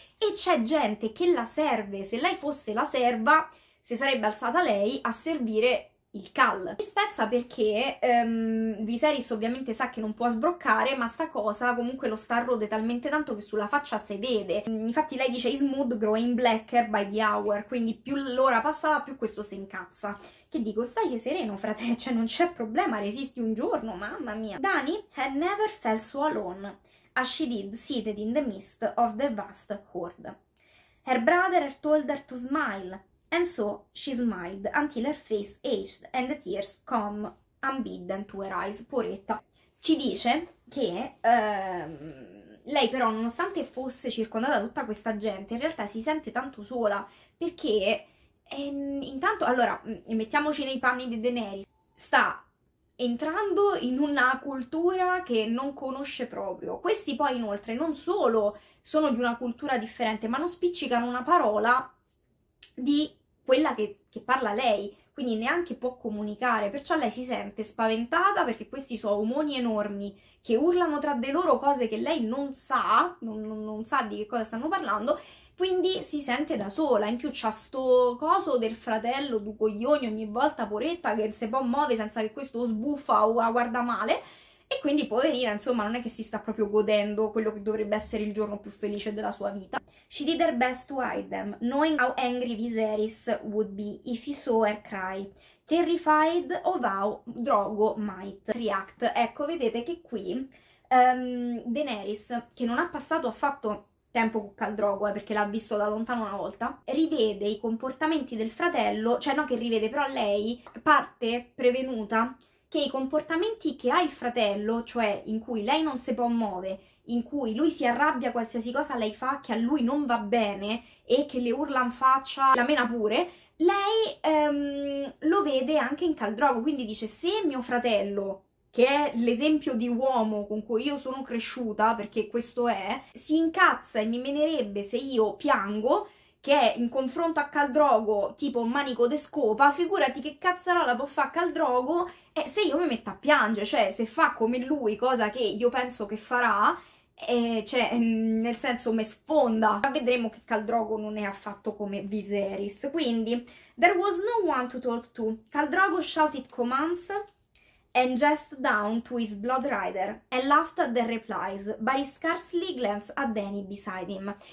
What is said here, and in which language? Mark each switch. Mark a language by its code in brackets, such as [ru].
[it] E c'è gente che la serve, se lei fosse la serva, si sarebbe alzata lei a servire il Khal. Mi spezza perché Viserys ovviamente sa che non può sbroccare, ma sta cosa comunque lo sta a rode talmente tanto che sulla faccia si vede. Infatti lei dice [en] "His mood growing blacker by the hour", [it] quindi più l'ora passava più questo si incazza. Che dico, stai che sereno, frate, cioè non c'è problema, resisti un giorno, mamma mia. [en] Dany had never felt so alone as she did seated in the midst of the vast horde. Her brother had told her to smile, and so she smiled until her face aged and the tears come unbidden to her eyes. [it] Poretta. Ci dice che lei però, nonostante fosse circondata da tutta questa gente, in realtà si sente tanto sola, perché intanto, allora, mettiamoci nei panni di Daenerys. Sta entrando in una cultura che non conosce proprio. Questi poi, inoltre, non solo sono di una cultura differente, ma non spiccicano una parola di quella che parla lei, quindi neanche può comunicare. Perciò lei si sente spaventata perché questi sono omoni enormi che urlano tra di loro cose che lei non sa, non sa di che cosa stanno parlando. Quindi si sente da sola, in più c'ha sto coso del fratello, du coglioni, ogni volta poretta che se può muove senza che questo sbuffa o la guarda male, e quindi poverina, insomma, non è che si sta proprio godendo quello che dovrebbe essere il giorno più felice della sua vita. [en] She did her best to hide them, knowing how angry Viserys would be if he saw her cry, terrified of how Drogo might react. [it] Ecco, vedete che qui Daenerys, che non ha passato affatto tempo con Khal Drogo, perché l'ha visto da lontano una volta, rivede i comportamenti del fratello, cioè no che rivede, però lei parte prevenuta che i comportamenti che ha il fratello, cioè in cui lei non si può muovere, in cui lui si arrabbia qualsiasi cosa lei fa che a lui non va bene e che le urla in faccia, la mena pure, lei lo vede anche in Khal Drogo, quindi dice se mio fratello, che è l'esempio di uomo con cui io sono cresciuta, perché questo è, si incazza e mi menerebbe se io piango, che è in confronto a Khal Drogo tipo un manico de scopa, figurati che cazzarola può fare Khal Drogo se io mi metto a piangere, cioè se fa come lui, cosa che io penso che farà, cioè, nel senso, me sfonda. Ma vedremo che Khal Drogo non è affatto come Viserys. [en] Quindi, there was no one to talk to. Khal Drogo shouted commands and gestured down to his blood rider and laughed at the replies, but he scarcely glanced at Dany beside him.